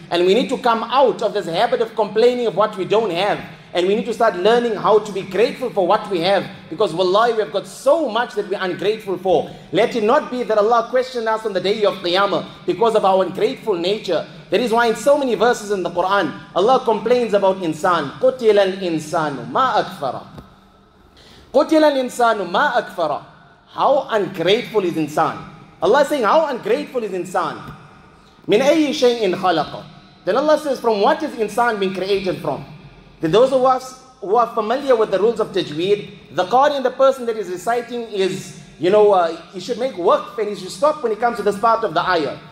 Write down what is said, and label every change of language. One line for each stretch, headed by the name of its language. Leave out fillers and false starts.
English: And we need to come out of this habit of complaining of what we don't have. And we need to start learning how to be grateful for what we have. Because wallahi, we have got so much that we are ungrateful for. Let it not be that Allah questioned us on the day of Qiyamah because of our ungrateful nature. That is why in so many verses in the Quran, Allah complains about insan.
Arabic: قُتِلَ الْإِنسَانُ مَا أَكْفَرَ قُتِلَ الْإِنسَانُ مَا أَكْفَرَ
English: How ungrateful is insan? Allah is saying, how ungrateful is insan?
Arabic: Min ayyi shay'in khalaqa.
English: Then Allah says, from what is insan being created from? Then those of us who are familiar with the rules of tajweed, the qari, the person that is reciting, is, you know, he should make work and he should stop when he comes to this part of the ayah.